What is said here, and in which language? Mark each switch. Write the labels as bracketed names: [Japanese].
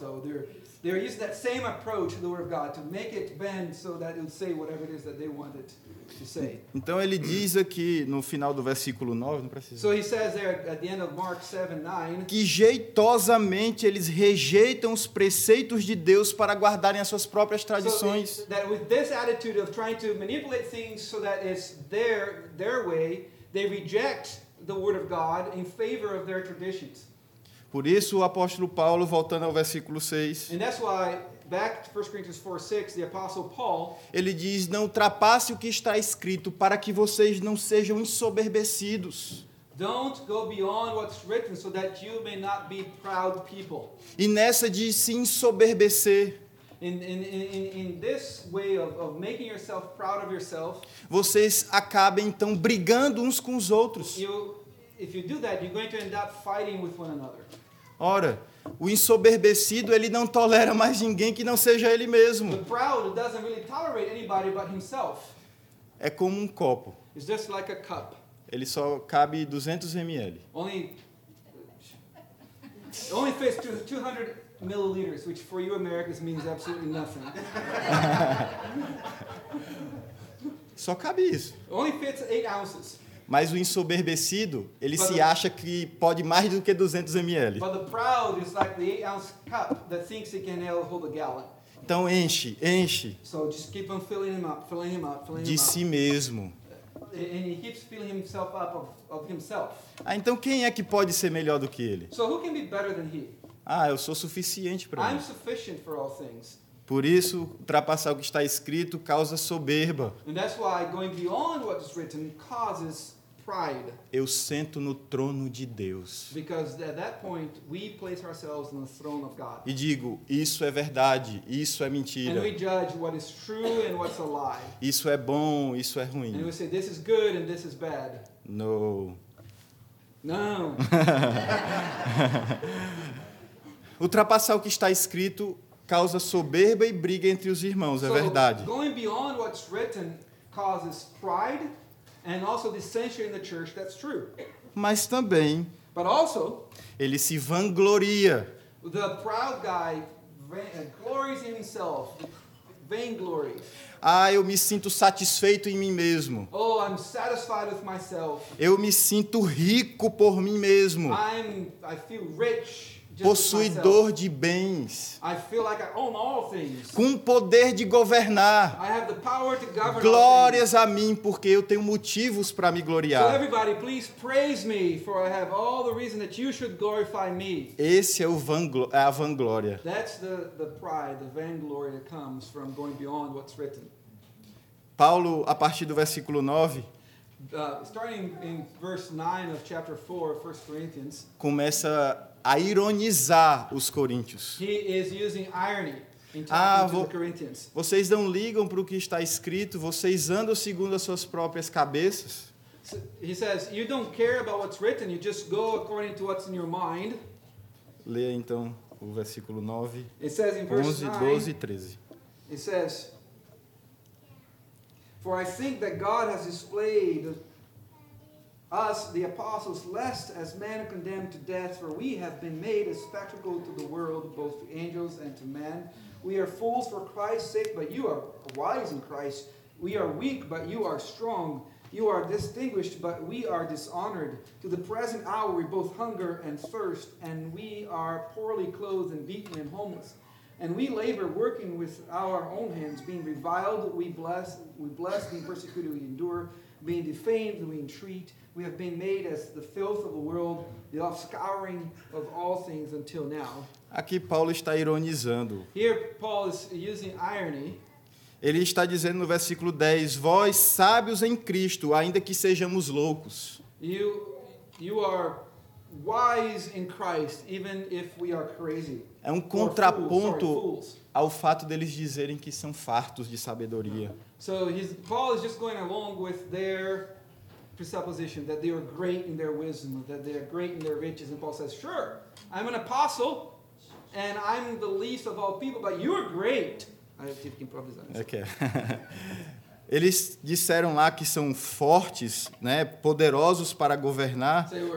[English] So they're using that same approach to the word of God to make it bend so that it would say whatever it is that they wanted to say. [Portuguese] Então ele diz aqui no final do versículo 9, não precisa. [English] So he says there at the end of Mark 7:9, [Portuguese] que jeitosamente eles rejeitam os preceitos de Deus para guardarem as suas próprias tradições. [English] So that with this attitude of trying to manipulate things so that it's their way, they reject the word of God in favor of their traditions. [Portuguese] Por isso o apóstolo Paulo, voltando ao versículo 6. [English] And that's why back to 1 Corinthians 4:6, the apostle Paul, [Portuguese] ele diz: não ultrapasse o que está escrito para que vocês não sejam ensoberbecidos. [English] Don't go beyond what's written so that you may not be proud people. [Portuguese] E nessa de se ensoberbecer, [English] In this way of making yourself proud of yourself, [Portuguese] vocês acabam então brigando uns com os outros. [English] If you do that, you're going to end up fighting with one another. [Portuguese] Ora, o ensoberbecido, ele não tolera mais ninguém que não seja ele mesmo. [English] The proud doesn't really tolerate anybody but himself. [Portuguese] É como um copo. [English] It's just like a cup. [Portuguese] Ele só cabe 200 ml. [English] Only fits 200 milliliters, which for you Americans means absolutely nothing. [Portuguese] Só cabe isso. [English] Only fits 8 ounces. [Portuguese] Mas o ensoberbecido, ele se acha que pode mais do que 200 ml. [English] But the proud is like the 8 ounce cup that thinks it can hold a gallon. [Portuguese] Então enche. [English] So just keep on filling him up. [Portuguese] De si mesmo. [English] And he keeps filling himself up of himself. [Portuguese] Ah, então quem é que pode ser melhor do que ele? [English] So who can be better than he? [Portuguese] Ah, eu sou suficiente para [English] mim. I'm sufficient for all things. [Portuguese] Por isso, ultrapassar o que está escrito causa soberba. [English] And that's why going beyond what is written causes pride. [Portuguese] Eu sento no trono de Deus. [English] Because at that point we place ourselves on the throne of God. [Portuguese] E digo, isso é verdade, isso é mentira. [English] And we judge what is true and what's a lie. [Portuguese] Isso é bom, isso é ruim. [English] And we say this is good and this is bad. No. No. [Portuguese] Ultrapassar o que está escrito causa soberba e briga entre os irmãos, é verdade. [English] Going beyond what's written causes pride and also dissension in the church, that's true. [Portuguese] Mas também, [English] but also, [Portuguese] ele se vangloria. [English] The proud guy glories in himself. Vainglory. [Portuguese] Ah, eu me sinto satisfeito em mim mesmo. [English] Oh, I'm satisfied with myself. [Portuguese] Eu me sinto rico por mim mesmo. [English] I feel rich. [Portuguese] Possuidor de bens. [English] I feel like I own all things. [Portuguese] Com poder de governar. [English] I have the power to govern. [Portuguese] Glórias a mim, porque eu tenho motivos para me gloriar. [English] So everybody, please praise me, for I have all the reason that you should glorify me. [Portuguese] Esse é a vanglória. [English] That's the pride, the vainglory that comes from going beyond what's written. [Portuguese] Paulo, a partir do versículo 9, [English] starting in verse 9 of chapter 4, 1 Corinthians, [Portuguese] começa a ironizar os coríntios. [English] He is using irony in talking to the Corinthians. [Portuguese] Vocês não ligam para o que está escrito, vocês andam segundo as suas próprias cabeças. [English] He says, you don't care about what's written, you just go according to what's in your mind. [Portuguese] Leia então o versículo 9. [English] It says in verse 11, [Portuguese] 12 e 13. [English] It says, for I think that God has displayed us, the apostles, lest as men condemned to death, for we have been made a spectacle to the world, both to angels and to men. We are fools for Christ's sake, but you are wise in Christ. We are weak, but you are strong. You are distinguished, but we are dishonored. To the present hour, we both hunger and thirst, and we are poorly clothed and beaten and homeless. And we labor, working with our own hands, being reviled, we bless, being persecuted, we endure, being defamed, we entreat. We have been made as the filth of the world, the offscouring of all things until now. [Portuguese] Aqui Paulo está ironizando. [English] Here Paul is using irony. [Portuguese] Ele está dizendo no versículo 10, vós sábios em Cristo, ainda que sejamos loucos. [English] You are wise in Christ, even if we are crazy. [Portuguese] É um contraponto ao fato deles dizerem que são fartos de sabedoria. [English] So Paul is just going along with their presupposition that they are great in their wisdom, that they are great in their riches, and Paul says, sure, I'm an apostle and I'm the least of all people, but you are great. Okay. [Portuguese] Eles disseram lá que são fortes, né, poderosos para governar.